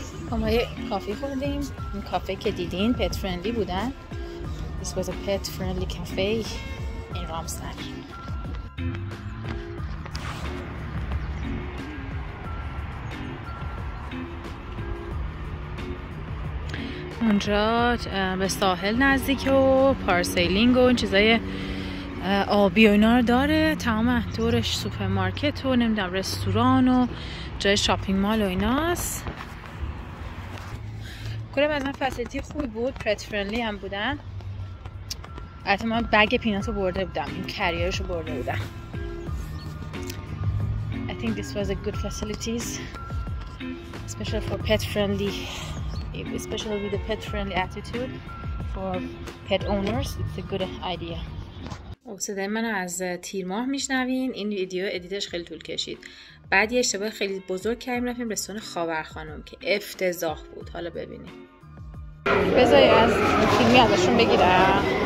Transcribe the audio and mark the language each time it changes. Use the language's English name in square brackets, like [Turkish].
[Persian] ما یه کافی خوردیم، این کافی که دیدین پت فرندلی بودن. [English] This was a pet friendly cafe in Ramstein. [Persian] اونجا به ساحل نزدیک و پارسیلینگ و این چیزای آبی و اینا رو داره. تمام دورش سوپرمارکت و نمیدونم رستوران و جای شاپینگ مال و ایناست. کلم از من فسیلیتی خوبی بود، پت فرندلی هم بودن. حتی من بگ پیناتو برده بودم، این کریرشو برده بودم. [English] I think this was a good facilities especially for pet friendly. Especially with the pet-friendly attitude for pet owners, it's a good idea. [Persian] صدای من از تیر ماه میشنوین. این ویدیو ادیتش خیلی طول کشید. بعد یه اشتباه خیلی بزرگ کردیم رفتیم رستوران خاور خانم که افتضاح بود. حالا ببینیم. بذاری از فیلمی ازشون بگیرم.